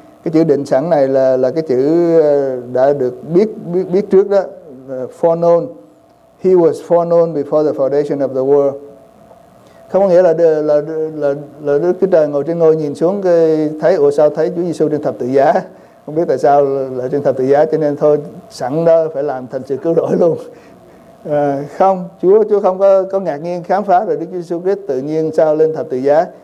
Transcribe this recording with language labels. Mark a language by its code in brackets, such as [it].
[vi] Cái chữ định sẵn này là cái chữ đã được biết trước đó, foreknown. [en] He was foreknown before the foundation of the world. [vi] Không có nghĩa là Đức Chúa Trời ngồi trên ngôi nhìn xuống thấy, ủa sao thấy Chúa Giêsu trên thập tự giá, không biết tại sao lại trên thập tự giá, cho nên thôi sẵn đó phải làm thành sự cứu rỗi luôn. Không, Chúa không có ngạc nhiên khám phá rồi Đức Giêsu Christ tự nhiên sao lên thập tự giá.